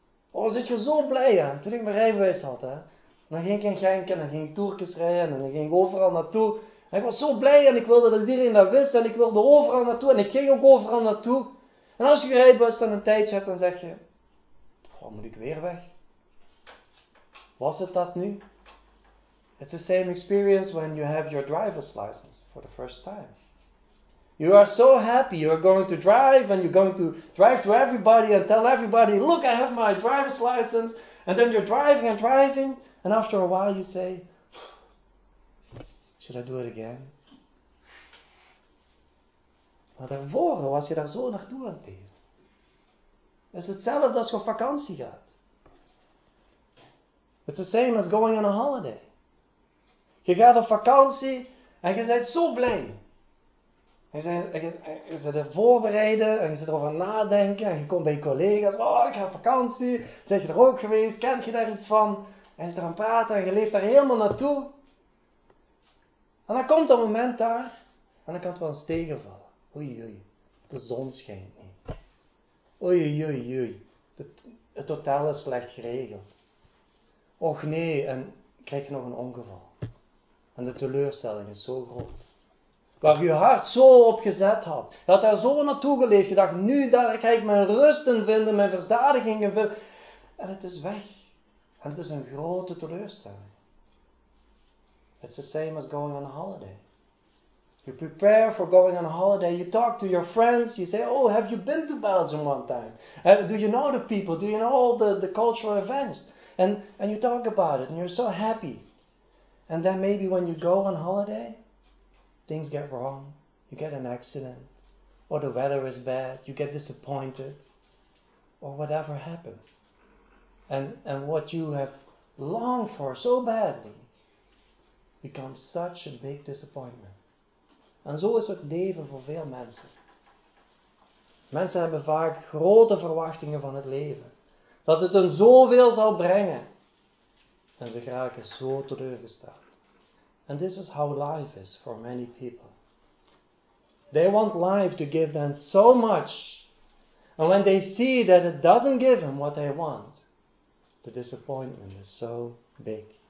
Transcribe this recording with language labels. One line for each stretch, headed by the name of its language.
Dutch: Oh, zit je zo blij aan. Toen ik mijn rijbewijs had, hè. Dan ging ik in Genk en dan ging ik toertjes rijden en dan ging ik overal naartoe. En ik was zo blij en ik wilde dat iedereen dat wist en ik wilde overal naartoe en ik ging ook overal naartoe. En als je je rijbewijs dan een tijdje hebt, dan zeg je, waarom moet ik weer weg? Was het dat nu?
English: It's the same experience when you have your driver's license for the first time. You are so happy, you're going to drive and you're going to drive to everybody and tell everybody, look, I have my driver's license. And then you're driving and driving. And after a while you say, should I do it again?
Dutch: Maar daarvoor was je daar zo naartoe aan het leven. Het is hetzelfde als je op vakantie gaat.
English: It's the same as going on a holiday.
Dutch: Je gaat op vakantie en je bent zo blij. Je zit er voorbereiden en je zit erover nadenken en je komt bij je collega's. Oh, ik ga op vakantie. Zijn je er ook geweest? Kent je daar iets van? En je zit er aan praten en je leeft daar helemaal naartoe. En dan komt een moment daar en dan kan het wel eens tegenvallen. Oei, oei, de zon schijnt niet. Oei, oei, oei, oei, het hotel is slecht geregeld. Och nee, en krijg je nog een ongeval. En de teleurstelling is zo groot. Waar je hart zo op gezet had. Je had daar zo naartoe geleefd. Je dacht, nu daar ga ik mijn rust in vinden, mijn verzadiging in vinden. En het is weg. En het is een grote teleurstelling.
English: It's the same as going on a holiday. You prepare for going on a holiday. You talk to your friends. You say, oh, have you been to Belgium one time? Do you know the people? Do you know all the cultural events? And you talk about it. And you're so happy. And then maybe when you go on holiday, things get wrong. You get an accident. Or the weather is bad. You get disappointed. Or whatever happens. And what you have longed for so badly becomes such a big disappointment.
Dutch: En zo is het leven voor veel mensen. Mensen hebben vaak grote verwachtingen van het leven. Dat het hen zoveel zal brengen. En ze geraken zo teleurgesteld.
English: And this is how life is for many people. They want life to give them so much. And when they see that it doesn't give them what they want, the disappointment is so big.